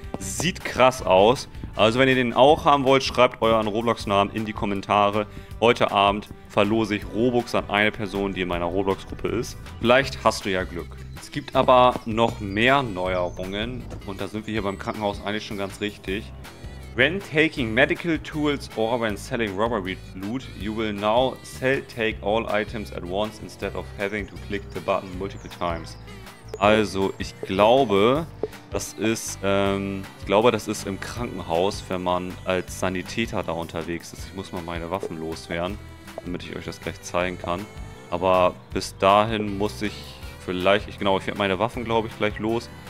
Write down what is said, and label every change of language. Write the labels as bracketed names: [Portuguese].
[German] Sieht krass aus. Also wenn ihr den auch haben wollt, schreibt euren Roblox-Namen in die Kommentare. Heute Abend verlose ich Robux an eine Person, die in meiner Roblox-Gruppe ist. Vielleicht hast du ja Glück. Es gibt aber noch mehr Neuerungen. Und da sind wir hier beim Krankenhaus eigentlich schon ganz richtig. [English] When taking medical tools or when selling robbery loot, you will now sell take all items at once instead of having to click the button multiple times. [German] Also, ich glaube, das ist im Krankenhaus, wenn man als Sanitäter da unterwegs ist. Ich muss mal meine Waffen loswerden, damit ich euch das gleich zeigen kann. Aber bis dahin muss ich vielleicht, ich werde meine Waffen, glaube ich, gleich los.